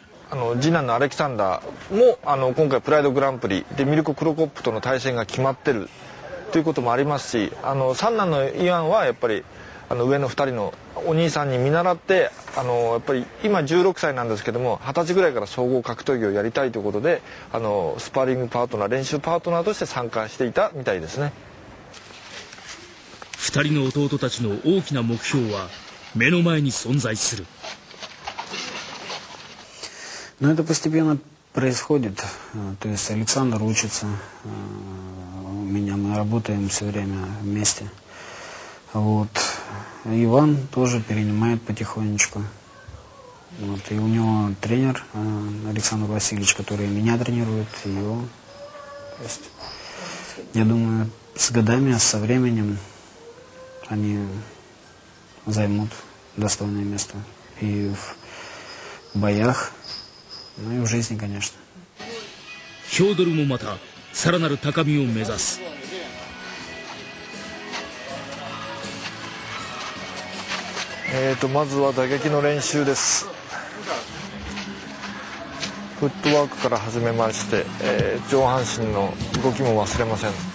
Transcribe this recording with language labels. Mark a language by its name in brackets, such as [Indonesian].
[Japanese] あの次男のアレキサンダーもあの今回プライドグランプリでミルコ・クロコップとの対戦が決まってるということもありますし、あの三男のイワンはやっぱりあの上の2人のお兄さんに見習って、あのやっぱり今16歳なんですけども、20歳ぐらいから総合格闘技をやりたいということで、あのスパーリングパートナー、練習パートナーとして参加していたみたいですね。 2人の弟たちの大きな目標は目の前に存在する。 [Russian] Но это постепенно происходит. То есть Александр учится. У меня мы работаем все время вместе. Вот. Иван тоже перенимает потихонечку. Вот. И у него тренер Александр Васильевич, который меня тренирует. И его. То есть, я думаю, с годами, со временем они займут достойное место и в боях, ну и в жизни, конечно. [Japanese] Фёдор もまたさらなる高みを目指す。まずは打撃の練習です。フットワークから始めまして、上半身の動きも忘れません。